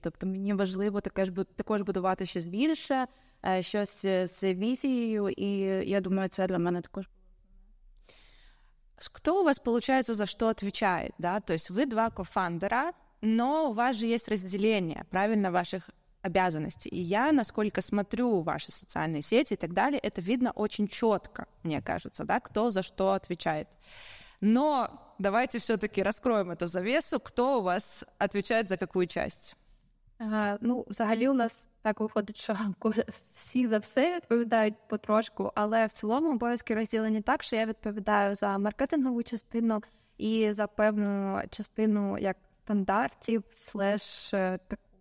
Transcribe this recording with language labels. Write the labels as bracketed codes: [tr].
[uk] Тобто мені важливо також будувати щось більше, щось з візією, і я думаю, це для мене також. Хто у вас, виходить, за що відповідає? Да? Тобто ви два кофандера, але у вас же є розділення, правильно, ваших обязанностей. [ru] И я, насколько смотрю ваши социальные сети и так далее, это видно очень четко, мне кажется, да, кто за что отвечает. Но давайте все-таки раскроем эту завесу, кто у вас отвечает за какую часть? [uk] Ну, взагалі у нас так виходить, що всі за все відповідають потрошку, але в цілому обов'язки розділені так, що я відповідаю за маркетингову частину і за певну частину як стандартів / так.